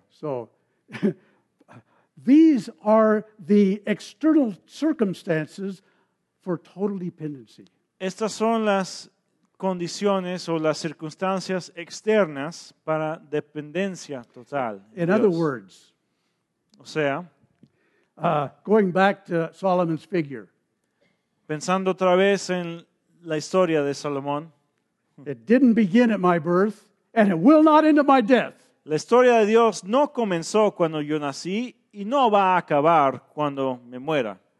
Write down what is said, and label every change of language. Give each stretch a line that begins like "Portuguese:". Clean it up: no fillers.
English: So, these are the external circumstances for total dependency.
Spanish: Estas son las condiciones o las circunstancias externas para dependencia total.
English: In other words,
Spanish: o sea,
English: going back to Solomon's figure.
Spanish: Pensando otra vez en la historia de Salomón.
English: It didn't begin at my birth and it will not end at my death.
Spanish: La historia de Dios no comenzó cuando yo nací y no va a acabar cuando me muera.